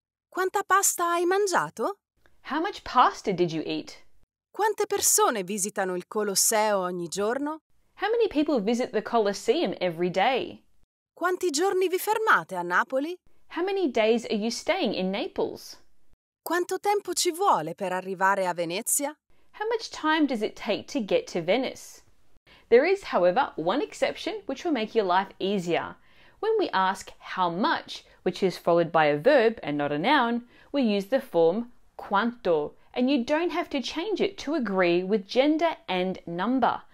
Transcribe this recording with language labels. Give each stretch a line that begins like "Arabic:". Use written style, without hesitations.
Italian: Quanta pasta hai mangiato?
English: How much pasta did you eat?
Italian: Quante persone visitano il Colosseo ogni giorno?
English: How many people visit the Colosseum every day?
Italian: Quanti giorni vi fermate a Napoli?
English: How many days are you staying in Naples?
Italian: Quanto tempo ci vuole per arrivare a Venezia?
English: How much time does it take to get to Venice? There is, however, one exception which will make your life easier. When we ask how much, which is followed by a verb and not a noun, we use the form quanto, and you don't have to change it to agree with gender and number.